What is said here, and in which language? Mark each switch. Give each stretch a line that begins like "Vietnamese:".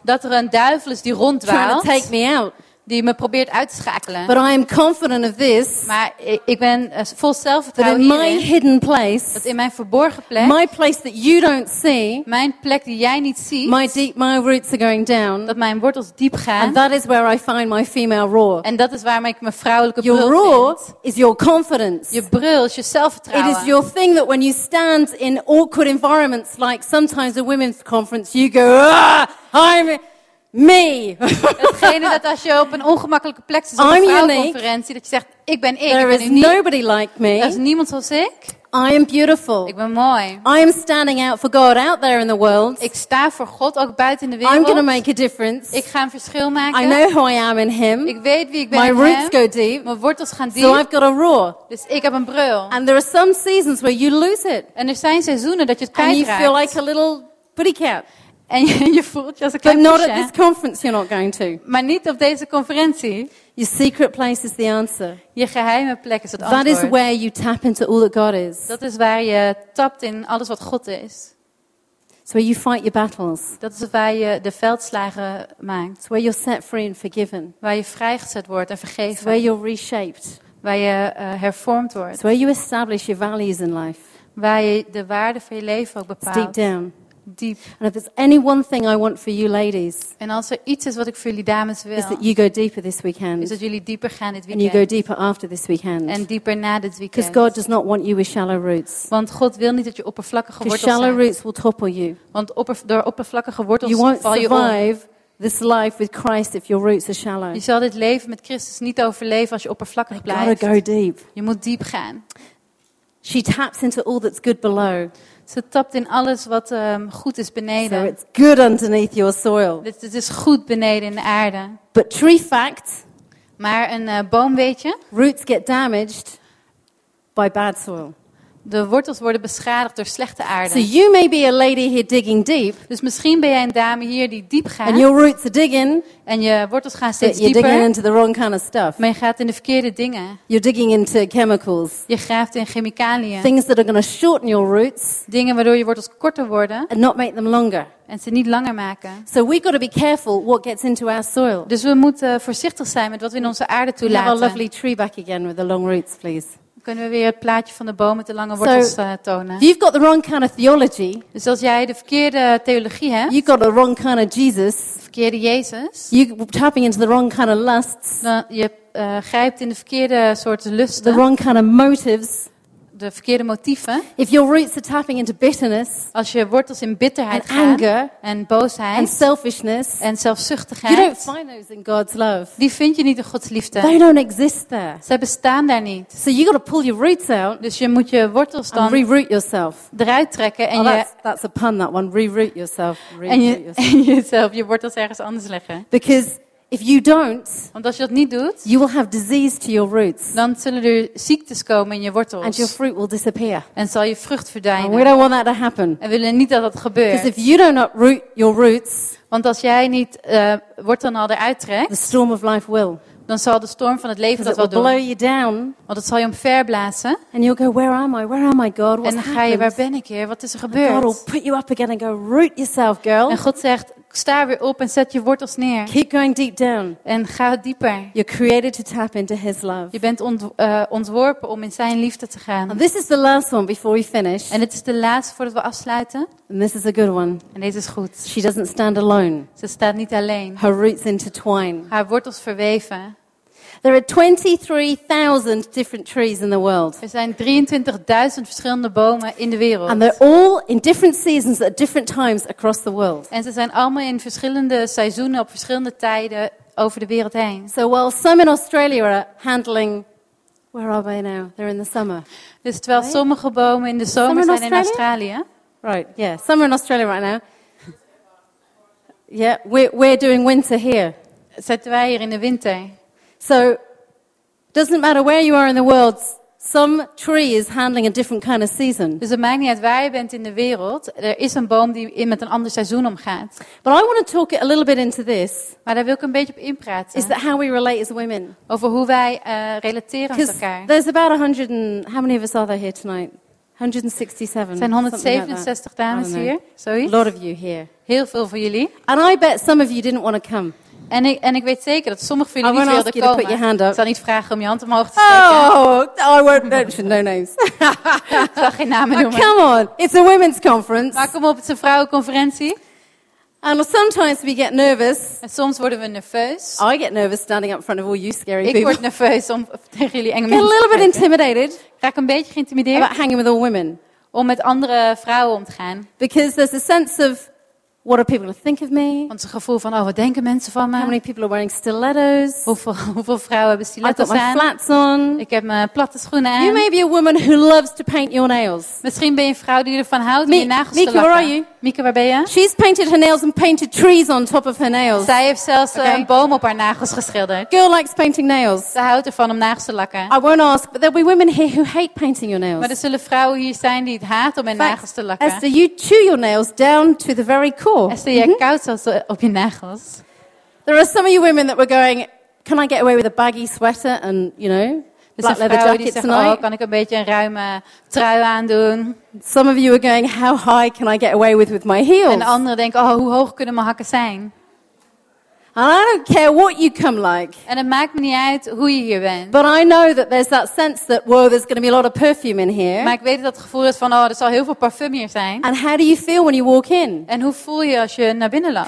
Dutch: Dat er een duivel is die ronddwaalt.
English: Trying to take me out.
Dutch: Die me probeert uit te schakelen.
English: But I am confident of this.
Dutch: Maar ik ben vol zelfvertrouwen
English: in my hidden place.
Dutch: Dat in mijn verborgen plek.
English: My place that you don't see.
Dutch: Mijn plek die jij niet ziet.
English: My roots are going down.
Dutch: Dat mijn wortels diep gaan.
English: And that is where I find my female roar.
Dutch: En dat is waar ik mijn vrouwelijke brul
English: your roar
Dutch: vind.
English: Is your confidence.
Dutch: Je brul is je zelfvertrouwen.
English: It is your thing that when you stand in awkward environments like sometimes a women's conference you go ah, I'm me.
Dutch: Hetgene dat als je op een ongemakkelijke plek zit op een vrouwenconferentie, dat je zegt, ik ben ik.
English: There
Dutch: ik ben
English: is nobody like me.
Dutch: Er is niemand zoals ik.
English: I am beautiful.
Dutch: Ik ben mooi.
English: I am standing out for God out there in the world.
Dutch: Ik sta voor God ook buiten de wereld.
English: I'm gonna make a difference.
Dutch: Ik ga een verschil maken.
English: I know who I am in Him.
Dutch: Ik weet wie ik ben
English: My
Dutch: in Hem.
English: My roots go deep.
Dutch: Mijn wortels gaan diep.
English: So I've got a roar.
Dutch: Dus ik heb een brul.
English: And there are some seasons where you lose it.
Dutch: En er zijn seizoenen dat je het kwijtraakt.
English: And you feel like a little pretty cat.
Dutch: En je voelt je als een klein
English: But not push, at this conference you're not going to.
Dutch: Maar niet op deze conferentie.
English: Your secret place is the answer.
Dutch: Je geheime plek is het
English: that
Dutch: antwoord.
English: That is where you tap into all that God is.
Dutch: Dat is waar je tapt in alles wat God is.
English: It's where you fight your battles.
Dutch: Dat is waar je de veldslagen maakt.
English: It's where you're set free and forgiven.
Dutch: Waar je vrijgezet wordt en vergeven.
English: It's where you're reshaped.
Dutch: Waar je hervormd wordt.
English: It's where you establish your values in life.
Dutch: Waar je de waarden van je leven ook bepaalt.
English: Deep down. Deep. And if there's any one thing I want for you ladies,
Dutch: en als er iets is wat ik voor jullie dames wil,
English: is that you go deeper this weekend.
Dutch: Is dat jullie dieper gaan dit weekend.
English: And you go deeper after this weekend.
Dutch: En dieper na dit weekend.
English: Because God does not want you with shallow roots.
Dutch: Want God wil niet dat je oppervlakkige wortels zijn.
English: Shallow roots will topple you.
Dutch: Want door oppervlakkige wortels
English: you won't
Dutch: val je
English: survive
Dutch: om.
English: This life with Christ if your roots are shallow.
Dutch: Je zal dit leven met Christus niet overleven als je oppervlakkig
English: you
Dutch: blijft.
English: Gotta go deep.
Dutch: Je moet diep gaan.
English: She taps into all that's good below.
Dutch: Ze tapt in alles wat goed is beneden.
English: So it's good underneath your soil.
Dutch: Het is goed beneden in de aarde.
English: But tree fact.
Dutch: Maar een boom weet je.
English: Roots get damaged by bad soil.
Dutch: De wortels worden beschadigd door slechte aarde.
English: So you may be a lady here digging deep.
Dutch: Dus misschien ben jij een dame hier die diep gaat.
English: And your roots are digging.
Dutch: En je wortels gaan steeds
English: you're
Dutch: dieper.
English: Digging into the wrong kind of stuff.
Dutch: Maar je gaat in de verkeerde dingen.
English: You're digging into chemicals.
Dutch: Je graaft in chemicaliën.
English: Things that are going to shorten your roots.
Dutch: Dingen waardoor je wortels korter worden.
English: And not make them longer.
Dutch: En ze niet langer maken.
English: So we got to be careful what gets into our soil.
Dutch: Dus we moeten voorzichtig zijn met wat we in onze aarde toelaten.
English: Have a lovely tree back again with the long roots, please.
Dutch: Kunnen we weer het plaatje van de boom met de lange wortels tonen?
English: You've got the wrong kind of theology.
Dutch: Dus als jij de verkeerde theologie hebt.
English: You've got the wrong kind of Jesus.
Dutch: Verkeerde Jezus.
English: You're tapping into the wrong kind of lusts.
Dutch: Je grijpt in de verkeerde soorten lusten.
English: The wrong kind of motives.
Dutch: De verkeerde motieven.
English: If your roots are tapping into bitterness.
Dutch: Als je wortels in bitterheid
English: and
Dutch: gaan.
English: Anger.
Dutch: En boosheid.
English: And selfishness.
Dutch: En zelfzuchtigheid.
English: You don't find those in God's love.
Dutch: Die vind je niet in Gods liefde.
English: They don't exist there.
Dutch: Zij bestaan daar niet.
English: So you gotta pull your roots out.
Dutch: Dus je moet je wortels dan.
English: And reroot yourself.
Dutch: Eruit trekken. En oh, je.
English: That's a pun, that one. Reroot yourself.
Dutch: En jezelf. Je wortels ergens anders leggen.
English: Because. If you don't,
Dutch: want als je dat niet doet,
English: you will have disease to your roots.
Dutch: Dan zullen er ziektes komen in je wortels.
English: And your fruit will disappear.
Dutch: En zal je vrucht verdwijnen.
English: And we don't want that to happen.
Dutch: En willen niet dat dat gebeurt.
English: Because if you don't uproot your roots,
Dutch: want als jij niet wortels al eruit trekt,
English: the storm of life will.
Dutch: Dan zal de storm van het leven dat wel
English: will
Dutch: doen.
English: Blow you down.
Dutch: Want het zal je omver blazen.
English: And you'll go, where am I? Where am I, God? What's
Dutch: en dan ga je, waar ben ik hier? Wat is er gebeurd?
English: God will put you up again and go root yourself, girl.
Dutch: En God zegt. sta weer op en zet je wortels neer.
English: Keep going deep down.
Dutch: En ga dieper.
English: You're created to tap into His love.
Dutch: Je bent ontworpen om in zijn liefde te gaan.
English: And this is the last one before we finish.
Dutch: En dit is de laatste voordat we afsluiten.
English: And this is a good one.
Dutch: En deze is goed.
English: She doesn't stand alone.
Dutch: Ze staat niet alleen.
English: Her roots intertwine.
Dutch: Haar wortels verweven.
English: There are 23,000 different trees in the world.
Dutch: Er zijn 23,000 verschillende bomen in de wereld.
English: And they're all in different seasons at different times across the world.
Dutch: En ze zijn allemaal in verschillende seizoenen op verschillende tijden over de wereld heen.
English: So while some in Australia are handling, where are they now? They're in the summer.
Dutch: Dus terwijl
English: right?
Dutch: sommige bomen in de zomer zijn in Australië.
English: Right, yeah, summer in Australia right now. Yeah, we're doing winter here.
Dutch: Zitten wij hier in de winter?
English: So, doesn't matter where you are in the world, some tree is handling a different kind of season.
Dutch: Dus het maakt niet uit waar je bent in de wereld. Er is een boom die met een ander seizoen omgaat.
English: But I want to talk a little bit into this.
Dutch: Maar daar wil ik een beetje op inpraten.
English: Is that how we relate as women?
Dutch: Over hoe wij relateren met elkaar.
English: There's about 100 and how many of us are there here tonight? 167.
Dutch: Zijn 167 dames hier? Zoiets.
English: A lot of you here.
Dutch: Heel veel van jullie.
English: And I bet some of you didn't want to come.
Dutch: En ik weet zeker dat sommige van jullie niet wilden komen.
English: Put your hand up.
Dutch: Ik zal niet vragen om je hand omhoog te steken.
English: Oh, I won't mention no names.
Dutch: Ik zal geen namen noemen.
English: Come on, it's a women's conference.
Dutch: Maar kom op, het is een vrouwenconferentie.
English: And sometimes we get nervous.
Dutch: En soms worden we nerveus.
English: I get nervous standing up in front of all you scary people.
Dutch: Ik word nerveus om tegen jullie enge mensen.
English: Get a little bit intimidated.
Dutch: Raak een beetje geïntimideerd.
English: About hanging with all women.
Dutch: Om met andere vrouwen om te gaan.
English: Because there's a sense of what are people going to think of me?
Dutch: Want het gevoel van, oh, wat denken mensen van me?
English: How many people are wearing stilettos?
Dutch: Hoeveel vrouwen hebben stilettos aan?
English: I've got my flats on.
Dutch: Ik heb mijn platte schoenen aan.
English: You may be a woman who loves to paint your nails.
Dutch: Misschien ben je een vrouw die ervan houdt om je nagels te lakken.
English: Mieke, where are you?
Dutch: Mieke, waar ben je?
English: She's painted her nails and painted trees on top of her nails.
Dutch: Zij heeft zelfs okay. een boom op haar nagels geschilderd.
English: Girl likes painting nails.
Dutch: Ze houdt ervan om nagels te lakken.
English: I won't ask, but there'll be women here who hate painting your nails.
Dutch: Maar er zullen vrouwen hier zijn die het haat om hun nagels te lakken.
English: Esther, you chew your nails down to the very core.
Dutch: Esther, jij koudt zelfs op je nagels.
English: There are some of you women that were going, can I get away with a baggy sweater and, you know,
Dutch: dus een vrouw die zegt, oh, kan ik een beetje een ruime trui aandoen?
English: Some of you are going, how high can I get away with my heels?
Dutch: En anderen denken, oh, hoe hoog kunnen mijn hakken zijn?
English: I don't care what you come like.
Dutch: En het maakt me niet uit hoe je hier bent.
English: But I know that there's that sense that, whoa, there's going to be a lot of perfume in here.
Dutch: Maar ik weet dat het gevoel is van, oh, er zal heel veel parfum hier zijn.
English: And how do you feel when you walk in?
Dutch: En hoe voel je als je naar binnen loopt?